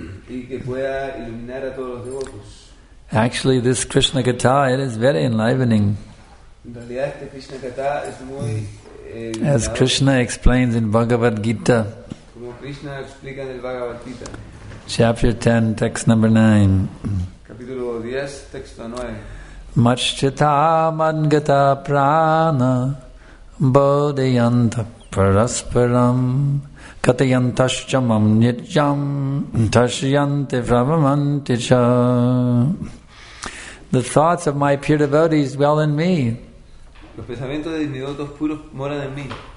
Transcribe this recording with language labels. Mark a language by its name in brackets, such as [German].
[Spanish] Y que pueda iluminar a todos los devotos. [English] Actually, this Krishna Katha, it is very enlivening. [Spanish] En realidad, este Krishna Katha es muy, [English] as Krishna explains in Bhagavad Gita. [Spanish] Como Krishna explica en el Bhagavad Gita. [English] Chapter 10, text number 9. [Spanish] Capítulo 10, texto 9. [Sanskrit] Machchita mangata prana bodhyanta parasparam katayantaschamam nityam tashyante pravamanticha. [English] The thoughts of my pure devotees dwell in me. [Spanish] Los pensamientos de mis devotos puros moran en mí.